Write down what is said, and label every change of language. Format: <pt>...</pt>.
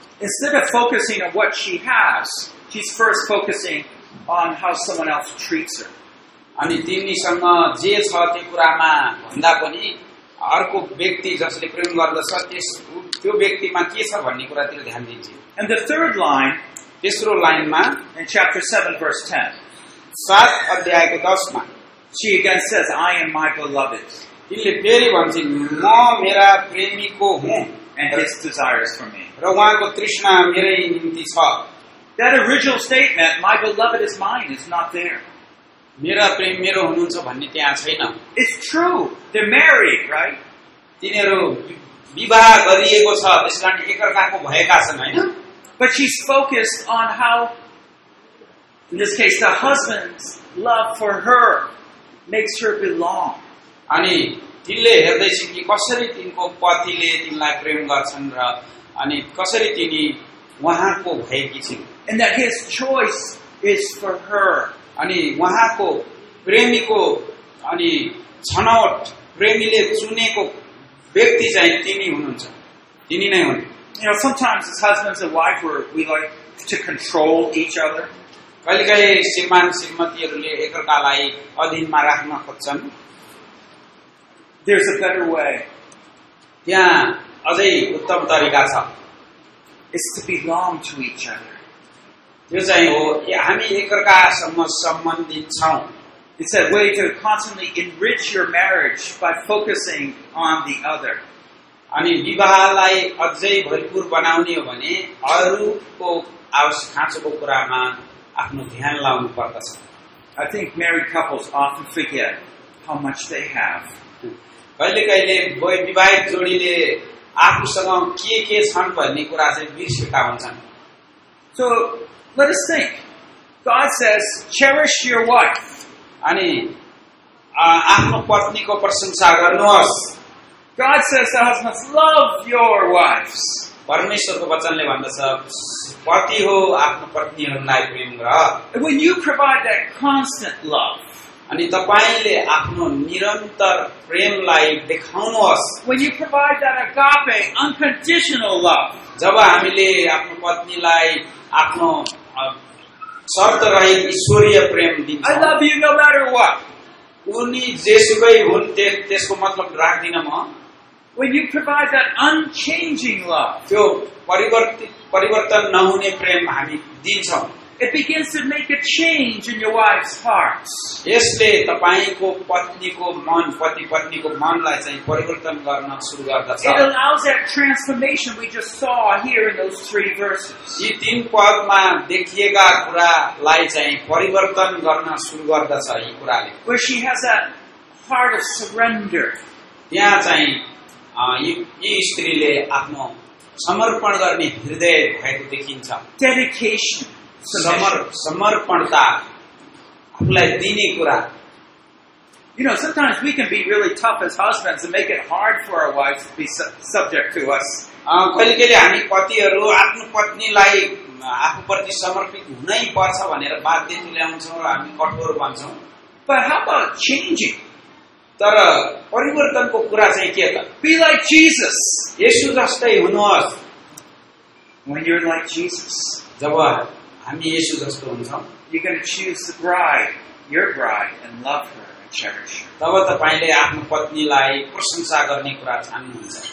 <en>Instead of focusing on what she has, she's first focusing on how someone else treats her.</en> <ne>अनि तिनीसँग जे छ त्यो कुरामा भन्दा पनि अर्को व्यक्ति जसले प्रेम गर्दछ त्यस त्यो व्यक्तिमा के छ भन्ने कुरातिर ध्यान दिन्छ.</ne> <en>And the third line,</en> <ne>तेस्रो लाइनमा,</ne> <en>in chapter 7 verse 10,</en> <ne>सात अध्यायको 10मा,</ne> <en>she again says, I am my beloved.</en> <ne>तिनले फेरि भन्छन्, म मेरा प्रेमीको हुँ.</ne> <en>And his desires for me.</en> <ne>र उहाँको तृष्णा मेरै निम्ति छ.</ne> <en>That original statement, my beloved is mine, is not there.</en> <ne>मेरा प्रेम मेरो हुनुहुन्छ भन्ने त्यहाँ छैन.</ne> <en>It's true. They're married, right?</en> <ne>तिनीहरू विवाह गरिएको छ, त्यस कारण एकअर्काको भएका छन् होइन?</ne> <en>But she's focused on how, in this case, the husband's love for her makes her belong.</en> <ne>अनि तिनले हेर्दैछ कि कसरी तिनको पतिले तिनलाई प्रेम गर्छन् र अनि कसरी तिनी उहाँको भएकी छिन्.</ne> <en>And that his choice is for her.</en> <ne>अनि उहाँको प्रेमीको अनि छनौट प्रेमीले चुनेको व्यक्ति चाहिँ तिनी हुनुहुन्छ, तिनी नै हुन्.</ne> <en>You know, sometimes as husbands and wife, we like to control each other.</en> <ne>कहिले कहिले श्रीमान श्रीमतीहरूले एकअर्कालाई अधीनमा राख्न खोज्छन्.</ne> <en>There's a better way.</en> <ne>त्यहाँ अझै उत्तम तरिका छ.</ne> <en>It's to belong to each other.</en> <ne>त्यो चाहिँ हो हामी एकअर्कासम्म सम्बन्धित छौँ.</ne> <en>It's a way to constantly enrich your marriage by focusing on the other.</en> <ne>अनि विवाहलाई अझै भरपूर बनाउने हो भने अरूको आवश्यक खाँचोको कुरामा आफ्नो ध्यान लाउनु पर्दछ.</ne> <en>I think married couples often forget how much they have.</en> <ne>कहिले कहिले विवाहित जोडीले आफूसँग के छन् भन्ने कुरा चाहिँ बिर्सेका हुन्छन्.</ne> <en>So let us think. God says, cherish your wife.</en> <ne>अनि आफ्नो पत्नीको प्रशंसा गर्नुहोस्.</ne> <en>God says to husbands, love your wives.</en> <ne>परमेश्वरको वचनले भन्दछ पति हो आफ्नो पत्नीहरूलाई प्रेम गर.</ne> <en>When you provide that constant love,</en> <ne>अनि तपाईँले आफ्नो निरन्तर प्रेमलाई देखाउनुहोस्.</ne> <en>When you provide that agape, unconditional love,</en> <ne>जब हामीले आफ्नो पत्नीलाई आफ्नो शर्त रहित ईश्वरीय प्रेम दिन्छौं.</ne> <en>I love you no matter what.</en> <ne>उनी जेसुकै हुन् त्यसको मतलब राख्दिन म.</ne> <en>When you provide that unchanging love,</en> <ne>त्यो परिवर्तन नहुने प्रेम हामी दिन्छौं.</ne> <en>It begins to make a change in your wife's hearts.</en> <ne>यसले तपाईको पत्नीको मन पति पत्नीको मनलाई चाहिँ परिवर्तन गर्न सुरु गर्दछ.</ne> <en>It allows that transformation we just saw here in those three verses.</en> <ne>यी तीन पदमा देखिएका कुरालाई चाहिँ परिवर्तन गर्न सुरु गर्दछ यी कुराले.</ne> <en>Where she has a heart of surrender.</en> <ne>यहाँ चाहिँ यी स्त्रीले आफ्नो समर्पण गर्ने हृदय भएको देखिन्छ.</ne> <en>Dedication.</en> <ne>समर्पणता आफूलाई दिने कुरा.</ne> <en>You know, sometimes we can be really tough as husbands and make it hard for our wives to be subject to us.</en> <ne>कहिले कहिले हामी पतिहरू आफ्नो पत्नीलाई आफूप्रति समर्पित हुनै पर्छ भनेर बाध्य तुल्याउँछौँ र हामी कठोर भन्छौँ.</ne> <en>But how about changing?</en> <ne>तर परिवर्तनको कुरा चाहिँ के त?</ne> <en>Be like Jesus.</en> <ne>येशु जस्तै हुनुहोस्.</ne> <en>When you're like Jesus,</en> <ne>जब हामी येशु जस्तो हुन्छौँ,</ne> <en>you can choose the bride, your bride, and love her and cherish her.</en> <ne>तब तपाईँले आफ्नो पत्नीलाई प्रशंसा गर्ने कुरा छान्नुहुन्छ.</ne>